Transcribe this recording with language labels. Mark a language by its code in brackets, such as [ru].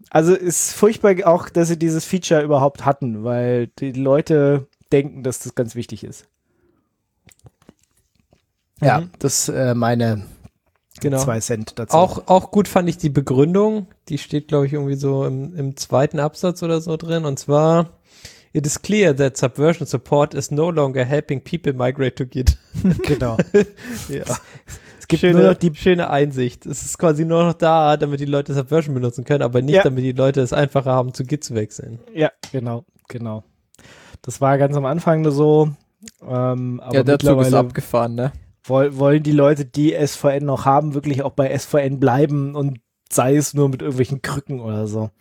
[de] Also es ist furchtbar auch, dass sie dieses Feature überhaupt hatten, weil die Leute denken, dass das ganz wichtig ist. Ja, das ist meine genau. 2 Cent dazu. Auch gut fand ich die Begründung. Die steht, glaube ich, irgendwie so im zweiten Absatz oder so drin. Und zwar, [en] it is clear that Subversion Support is no longer helping people migrate to Git. [de] Genau. Ja. Es gibt nur noch die schöne Einsicht. Es ist quasi nur noch da, damit die Leute Subversion benutzen können, aber nicht, damit die Leute es einfacher haben, zu Git zu wechseln. Ja, genau. Das war ganz am Anfang nur so. Aber ja, der Zug ist abgefahren, ne? Wollen die Leute, die SVN noch haben, wirklich auch bei SVN bleiben und sei es nur mit irgendwelchen Krücken oder so?